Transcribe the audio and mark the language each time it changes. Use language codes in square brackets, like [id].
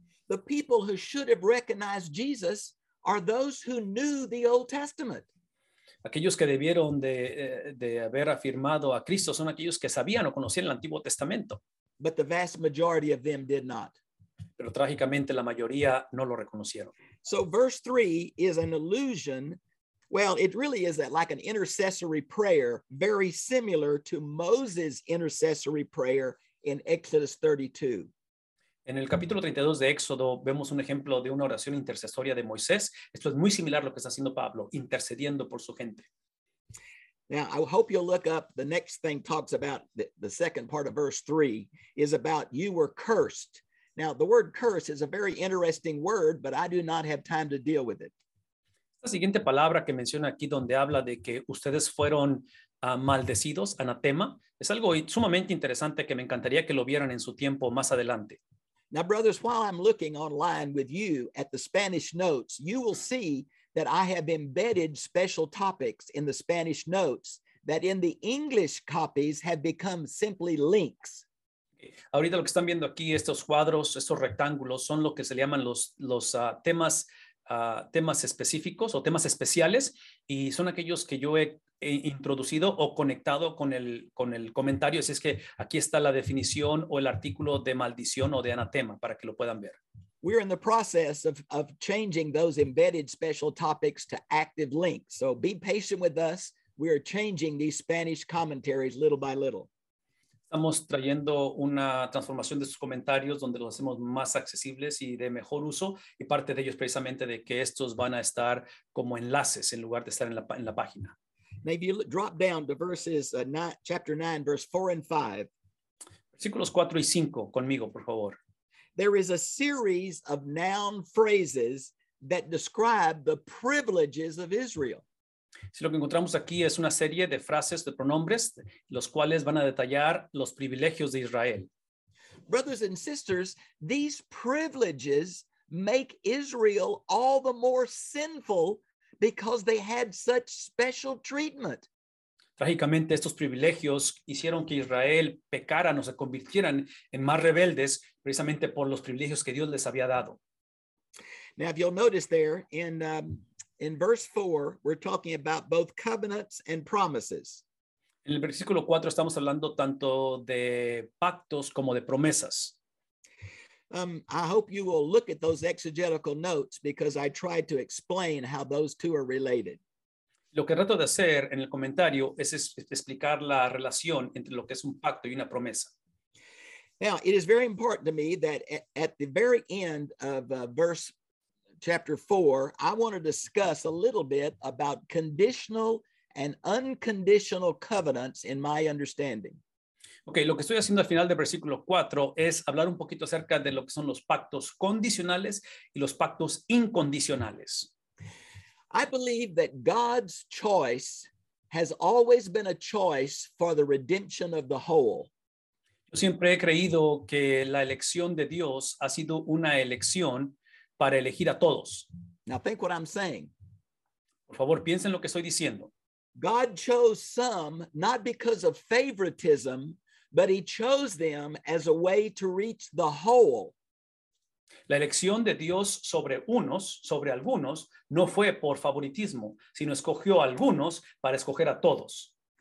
[en] The people who should have recognized Jesus are those who knew the Old Testament. [es] Aquellos que debieron de haber afirmado a Cristo son aquellos que sabían o conocían el Antiguo Testamento. [en] But the vast majority of them did not. [es] Pero trágicamente la mayoría no lo reconocieron. [en] So verse 3 is an allusion. Well, it really is that like an intercessory prayer, very similar to Moses' intercessory prayer in Exodus 32. [es] En el capítulo 32 de Éxodo vemos un ejemplo de una oración intercesoria de Moisés. Esto es muy similar a lo que está haciendo Pablo, intercediendo por su gente. [en] Now, I hope you'll look up the next thing talks about the second part of verse 3 is about you were cursed. Now, the word curse is a very interesting word, but I do not have time to deal with it. [es] La siguiente palabra que menciona aquí donde habla de que ustedes fueron maldecidos, anatema, es algo sumamente interesante que me encantaría que lo vieran en su tiempo más adelante. [en] Now, brothers, while I'm looking online with you at the Spanish notes, you will see that I have embedded special topics in the Spanish notes that in the English copies have become simply links. [es] Ahorita lo que están viendo aquí, estos cuadros, estos rectángulos, son lo que se le llaman los temas específicos o temas especiales, y son aquellos que yo he introducido o conectado con el comentario. Así es que aquí está la definición o el artículo de maldición o de anatema para que lo puedan ver. [en] We're in the process of changing those embedded special topics to active links. So be patient with us. We are changing these Spanish commentaries little by little. [es] Estamos trayendo una transformación de sus comentarios donde los hacemos más accesibles y de mejor uso, y parte de ellos precisamente de que estos van a estar como enlaces en lugar de estar en la página. [en] Maybe you drop down to verses chapter 9, verse 4 and 5. [es] Versículos 4 y 5 conmigo, por favor. [en] There is a series of noun phrases that describe the privileges of Israel. [es] Si lo que encontramos aquí es una serie de frases, de pronombres, los cuales van a detallar los privilegios de Israel. [en] Brothers and sisters, these privileges make Israel all the more sinful because they had such special treatment. [es] Trágicamente, estos privilegios hicieron que Israel pecaran o se convirtieran en más rebeldes precisamente por los privilegios que Dios les había dado. [en] Now, if you'll notice there in verse 4, we're talking about both covenants and promises. [es] En el versículo 4 estamos hablando tanto de pactos como de promesas. [en] I hope you will look at those exegetical notes because I tried to explain how those two are related. [es] Lo que trato de hacer en el comentario es explicar la relación entre lo que es un pacto y una promesa. [en] Now, it is very important to me that at the very end of verse chapter 4, I want to discuss a little bit about conditional and unconditional covenants in my understanding. [es] Okay, lo que estoy haciendo al final del versículo 4 es hablar un poquito acerca de lo que son los pactos condicionales y los pactos incondicionales. [en] I believe that God's choice has always been a choice for the redemption of the whole. [es] Yo siempre he creído que la elección de Dios ha sido una elección para elegir a todos. [en] Now think what I'm saying. [es] Por favor, piensen lo que estoy diciendo. [en] God chose some not because of favoritism, but he chose them as a way to reach the whole. [es] La elección de Dios sobre unos, sobre algunos, no fue por favoritismo, sino escogió a algunos para escoger a todos.